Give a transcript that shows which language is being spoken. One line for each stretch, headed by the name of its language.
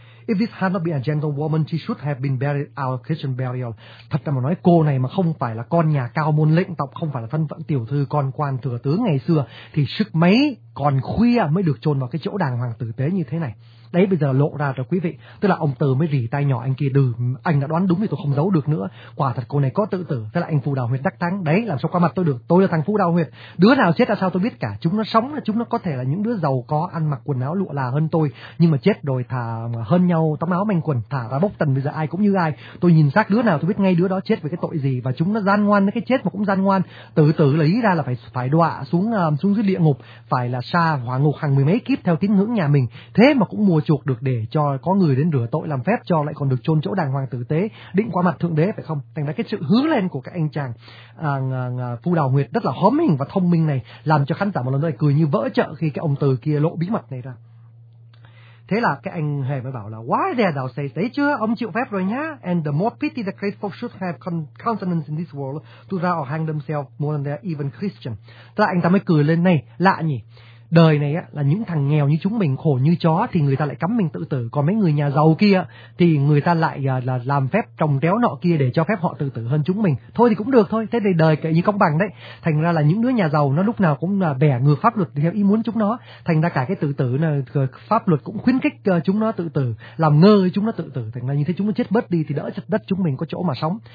English: If this had not been a gentlewoman, she should have been buried our Christian burial.
Vietnamese: Thật là mà nói, cô này mà không phải là con nhà cao môn lĩnh tộc, không phải là thân phận tiểu thư, con quan thừa tướng ngày xưa, thì sức mấy còn khuya mới được chôn vào cái chỗ đàng hoàng tử tế như thế này. Đấy, bây giờ lộ ra rồi quý vị. Tức là ông từ mới rỉ tai nhỏ anh kia, đừ, anh đã đoán đúng thì tôi không giấu được nữa. Quả thật cô này có tự tử. Thế là anh phù đào huyệt đắc thắng. Đấy, làm sao qua mặt tôi được, tôi là thằng phù đào huyệt. Đứa nào chết là sao tôi biết cả. Chúng nó sống là chúng nó có thể là những đứa giàu có, ăn mặc quần áo lụa là hơn tôi, nhưng mà chết rồi thà hơn nhau tấm áo manh quần, thả ra bốc tần, bây giờ ai cũng như ai. Tôi nhìn xác đứa nào tôi biết ngay đứa đó chết với cái tội gì, và chúng nó gian ngoan với cái chết mà cũng gian ngoan. Tự tử là ý ra là phải đọa xuống xuống dưới địa ngục, phải là xa hỏa ngục hàng mười mấy kiếp theo tín ngưỡng nhà mình. Thế mà cũng mua chuộc được để cho có người đến rửa tội làm phép cho, lại còn được chôn chỗ đàng hoàng tử tế, định qua mặt thượng đế phải không? Thành ra cái sự hứa lên của các anh chàng phu đào huyệt rất là hóm hình và thông minh này, làm cho khán giả một lần nữa cười như vỡ chợ khi cái ông từ kia lộ bí mật này ra. Thế là cái anh hề mới bảo là
English: why there thou say
Vietnamese: đấy chưa, ông chịu phép rồi nhá.
English: And the more pity the great folk should have countenance in this world to draw or hang themselves more than they are even Christian.
Vietnamese: Tức là anh ta mới cười lên này, lạ nhỉ, đời này á là những thằng nghèo như chúng mình khổ như chó thì người ta lại cấm mình tự tử, còn mấy người nhà giàu kia thì người ta lại là làm phép trồng réo nọ kia để cho phép họ tự tử hơn chúng mình. Thôi thì cũng được thôi, thế thì đời kệ như công bằng đấy. Thành ra là những đứa nhà giàu nó lúc nào cũng là bẻ ngược pháp luật theo ý muốn chúng nó, thành ra cả cái tự tử là pháp luật cũng khuyến khích chúng nó tự tử, làm ngơ chúng nó tự tử, thành ra như thế chúng nó chết bớt đi thì đỡ chặt đất chúng mình có chỗ mà sống.